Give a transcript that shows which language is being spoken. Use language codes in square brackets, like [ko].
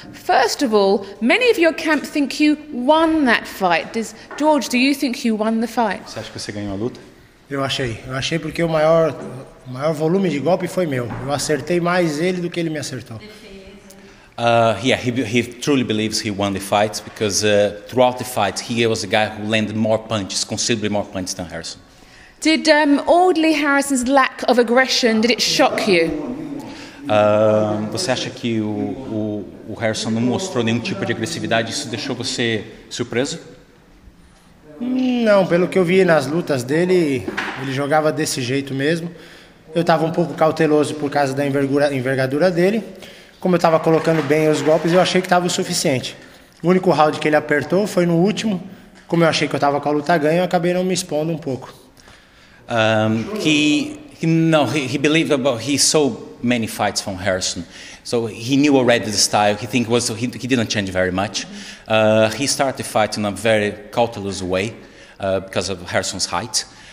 [en] First of all, many of your camp think you won that fight. George, do you think you won the fight? [pt] Você acha que você ganhou a luta? Eu achei porque o maior volume de golpe foi meu. Eu acertei mais ele do que ele me acertou. [en] He truly believes he won the fight because throughout the fight he was a guy who landed more punches, considerably more punches than Harrison. Did Audley Harrison's lack of aggression, did it shock you? [pt] Você acha que o Harrison não mostrou nenhum tipo de agressividade, isso deixou você surpreso? Não, pelo que eu vi nas lutas dele, ele jogava desse jeito mesmo. Eu estava um pouco cauteloso por causa da envergadura dele. Como eu estava colocando bem os golpes, eu achei que estava o suficiente. O único round que ele apertou foi no último. Como eu achei que eu estava com a luta ganha, eu acabei não me expondo um pouco. [en] He believed about he saw many fights from Harrison, so he knew already the style. He didn't change very much. He started fighting in a very cautious way because of Harrison's height.